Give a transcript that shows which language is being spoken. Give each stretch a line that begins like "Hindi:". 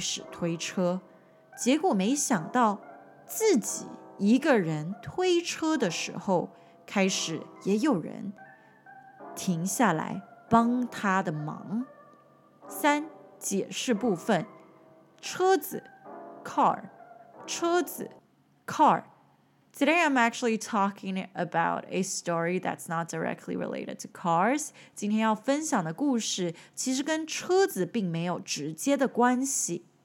Chinese: 动弹不得，于是他就下车，在车子旁边招手，希望路过的人能因为看到他求救而停下来伸出援手，但是都没有人停下来。最后，他只好自己一个人开始推车，结果没想到。自己一个人推车的时候，开始也有人停下来帮他的忙。三，解释部分，车子 car， 车子 car。
English: Today I'm actually talking about a story that's not directly related to cars.
Chinese: 今天要分享的故事其实跟车子并没有直接的关系。